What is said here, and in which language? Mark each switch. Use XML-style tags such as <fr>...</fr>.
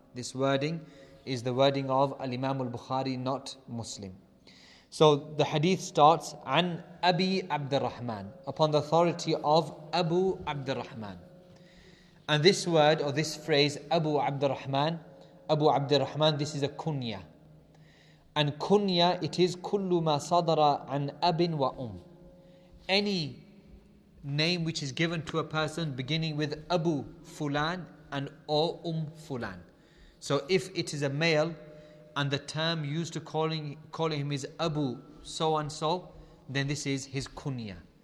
<en>This wording is the wording of Al-Imam Al-Bukhari, not Muslim. So the hadith starts,</en> <ar>عن أبي عبد الرحمن,</ar> <en>upon the authority of Abu عبد الرحمن. And this word or this phrase, Abu عبد الرحمن, this is a kunya. And kunya, it is</en> <ar>كل ما صدر عن أب وأم.</ar> <en>Any name which is given to a person beginning with Abu Fulan and or Um Fulan. So if it is a male, and the term used to calling him is Abu so-and-so, then this is his kunya.</en>